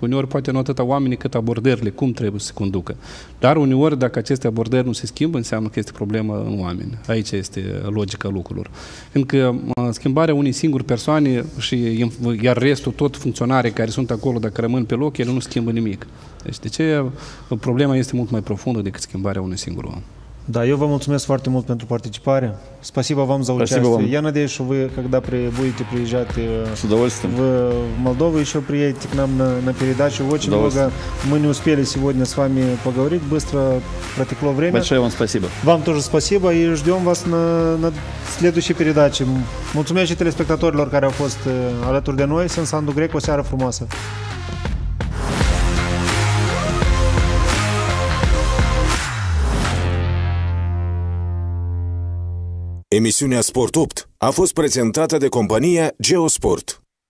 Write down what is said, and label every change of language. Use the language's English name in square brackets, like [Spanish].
[Romanian] Uneori poate nu atât oamenii cât abordările, cum trebuie să se conducă. Dar uneori, dacă aceste abordări nu se schimbă, înseamnă că este problemă în oameni. Aici este logica lucrurilor. Fiindcă schimbarea unei singuri persoane și iar restul tot funcționarii care sunt acolo, dacă rămân pe loc, ele nu schimbă nimic. Deci de ce problema este mult mai profundă decât schimbarea unui singur om. [Russian] Да, я вам благодарю очень много за участие. Спасибо вам за участие. Вам. Я надеюсь, что вы, когда будете приезжать с удовольствием. В Молдову, еще приедете к нам на передачу. Очень много мы не успели сегодня с вами поговорить. Быстро протекло время. Большое вам спасибо. Вам тоже спасибо. И ждем вас на следующей передаче. [Romanian] Mulțumesc și telespectatorilor care au fost alături de noi. Sunt Sandu Grec. O seară frumoasă. Emisiunea Sport 8 a fost prezentată de compania GeoSport.